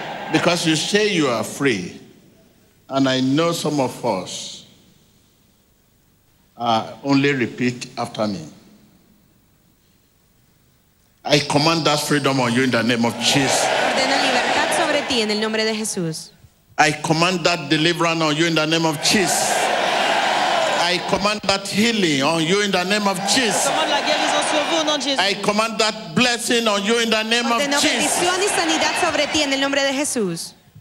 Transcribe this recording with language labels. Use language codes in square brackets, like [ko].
[en] Because you say you are free. And I know some of us only repeat after me. I command that freedom on you in the name of Jesus. [es] Ordena libertad sobre ti en el nombre de Jesús. [en] I command that deliverance on you in the name of Jesus. I command that healing on you in the name of Jesus. I command that blessing on you in the name of Jesus. [es] Ordena bendición y sanidad sobre ti en el nombre de Jesús.